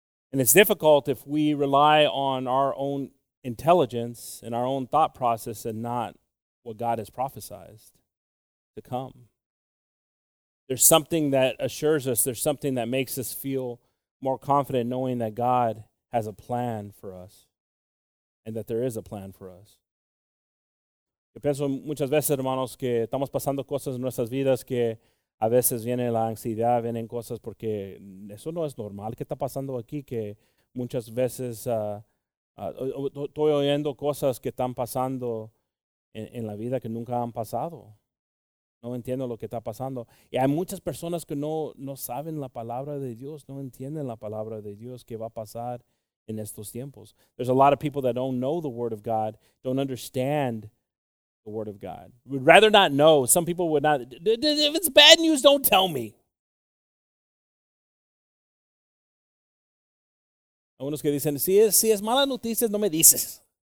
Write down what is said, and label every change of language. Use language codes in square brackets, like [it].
[en] And it's difficult if we rely on our own intelligence and our own thought process and not what God has prophesied to come. There's something that assures us. There's something that makes us feel more confident, knowing that God has a plan for us, and that there is a plan for us. [es] Yo pienso muchas veces, hermanos, que estamos pasando cosas en nuestras vidas, que a veces viene la ansiedad, vienen cosas, porque eso no es normal. ¿Qué está pasando aquí? Que muchas veces estoy oyendo cosas que están pasando en la vida que nunca han pasado. No entiendo lo que está pasando. Y hay muchas personas que no saben la palabra de Dios, no entienden la palabra de Dios, qué va a pasar in estos tiempos. [en] There's a lot of people that don't know the Word of God, don't understand the Word of God. Would rather not know. Some people would not. If it's bad news, don't tell me. [es] unos que dicen, si es mala noticia, no me dices.